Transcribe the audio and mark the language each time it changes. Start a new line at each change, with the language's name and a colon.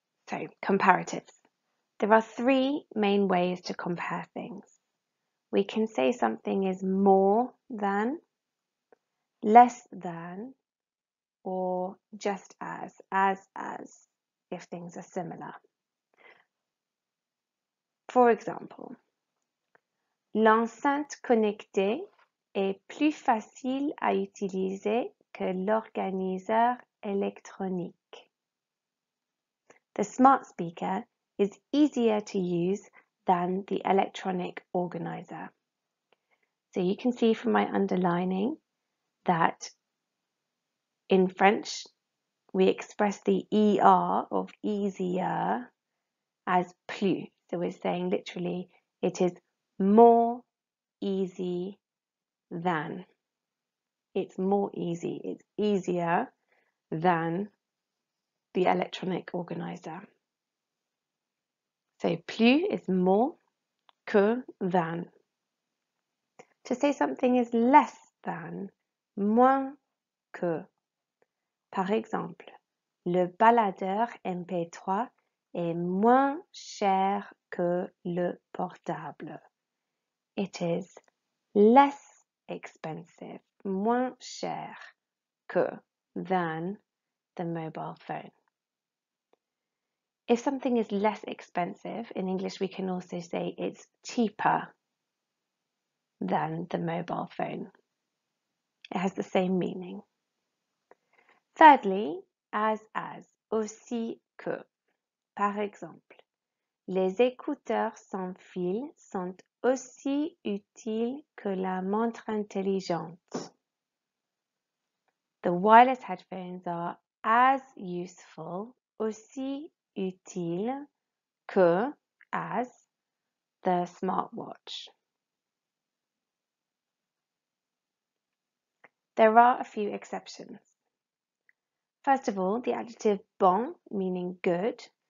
English: So, comparatives. There are three main ways to compare things. We can say something is more than, less than, or just as, if things are similar. For example,
French: l'enceinte connectée est plus facile à utiliser que l'organiseur électronique.
English: The smart speaker is easier to use than the electronic organizer. So you can see from my underlining that in French, we express the ER of easier as plus. So we're saying literally, it is more easy than. It's more easy, it's easier than the electronic organizer. So plus is more, que than. To say something is less than,
French: moins que. Par exemple, le baladeur MP3 est moins cher que le portable.
English: It is less expensive,
French: moins cher que
English: than the mobile phone. If something is less expensive, in English we can also say it's cheaper than the mobile phone. It has the same meaning. Thirdly, as,
French: aussi que. Par exemple, les écouteurs sans fil sont aussi utiles que la montre intelligente.
English: The wireless headphones are as useful,
French: aussi utile que,
English: as, the smartwatch. There are a few exceptions. First of all, the adjective bon, meaning good.